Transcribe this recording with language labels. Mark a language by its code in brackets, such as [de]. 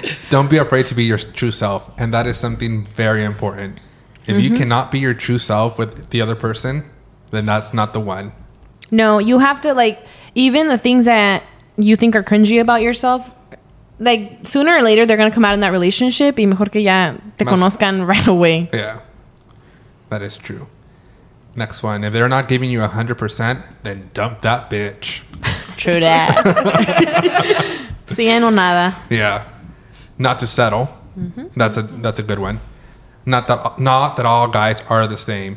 [en] Don't be afraid to be your true self, and that is something very important. If mm-hmm. you cannot be your true self with the other person, then that's not the one. No, you have to, like, even the things that you think are cringy about yourself, like, sooner or later, they're going to come out in that relationship. [es] Y mejor que ya te conozcan [en] right away. Yeah, that is true. Next one. If they're not giving you 100%, then dump that bitch. True that. [es] Cien o nada. [en] Yeah. Not to settle. Mm-hmm. That's a good one. Not that all guys are the same.